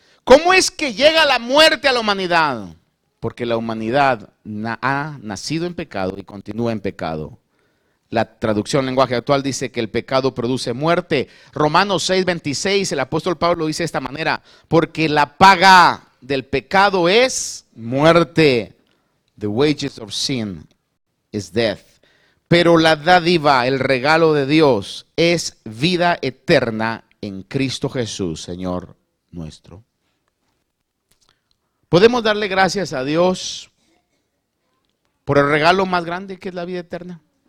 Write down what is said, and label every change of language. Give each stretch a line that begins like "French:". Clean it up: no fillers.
Spanish: ¿Cómo es que llega la muerte a la humanidad? Porque la humanidad ha nacido en pecado y continúa en pecado. La traducción lenguaje actual dice que el pecado produce muerte. Romanos 6:26, el apóstol Pablo dice de esta manera, porque la paga del pecado es muerte.
English: The wages of sin is death.
Spanish: Pero la dádiva, el regalo de Dios, es vida eterna en Cristo Jesús, Señor nuestro. ¿Podemos darle gracias a Dios por el regalo más grande que es la vida eterna?